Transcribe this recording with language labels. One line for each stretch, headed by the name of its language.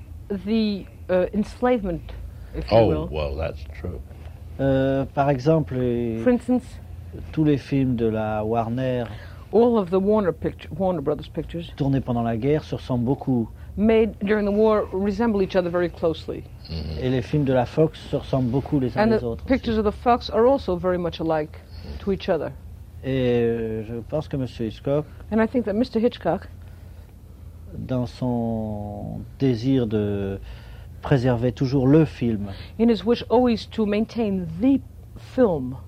English: The enslavement, if oh, you will. Oh, well, that's true.
French: Par exemple,
English: for instance,
French: tous les films de la Warner,
English: all of the Warner Brothers pictures,
French: tournés pendant la guerre, se ressemblent beaucoup.
English: Made during the war, resemble each other very closely. Mm-hmm.
French: Et les films de la Fox se ressemblent beaucoup les uns
English: and
French: les
English: the
French: autres.
English: And pictures
French: aussi.
English: Of the Fox are also very much alike to each other.
French: Et je pense que Monsieur Hitchcock.
English: And I think that Mr. Hitchcock.
French: Dans son désir de préserver toujours le film.
English: In his wish always to maintain the film.